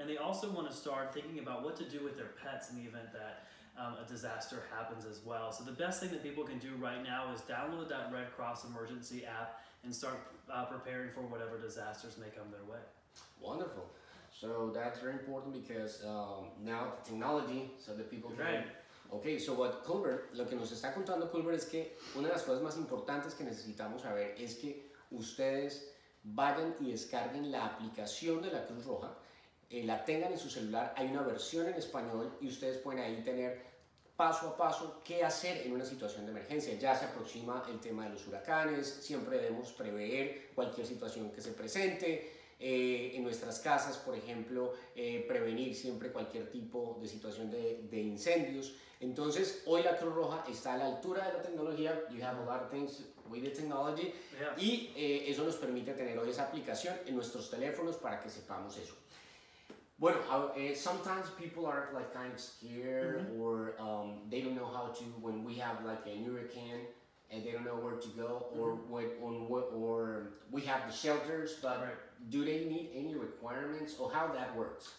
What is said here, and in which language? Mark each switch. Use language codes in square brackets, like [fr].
[en] And they also want to start thinking about what to do with their pets in the event that a disaster happens as well. So the best thing that people can do right now is download that Red Cross emergency app and start preparing for whatever disasters may come their way. Wonderful. So that's very important because now the technology, so that people can... Right. Okay, so what Culver, [es] lo que nos está contando Culver es que una de las cosas más importantes que necesitamos saber es que ustedes vayan y descarguen la aplicación de la Cruz Roja, la tengan en su celular, hay una versión en español y ustedes pueden ahí tener paso a paso qué hacer en una situación de emergencia. Ya se aproxima el tema de los huracanes, siempre debemos prever cualquier situación que se presente. En nuestras casas, por ejemplo, prevenir siempre cualquier tipo de situación de incendios. Entonces, hoy la Cruz Roja está a la altura de la tecnología. [en] You have a lot of things with the technology. Yeah. [es] Y eso nos permite tener hoy esa aplicación en nuestros teléfonos para que sepamos eso. [en] Bueno, sometimes people are like kind of scared, mm-hmm. or they don't know how to, when we have like a hurricane, and they don't know where to go, or mm-hmm. or we have the shelters, but right. Do they need any requirements, or how that works?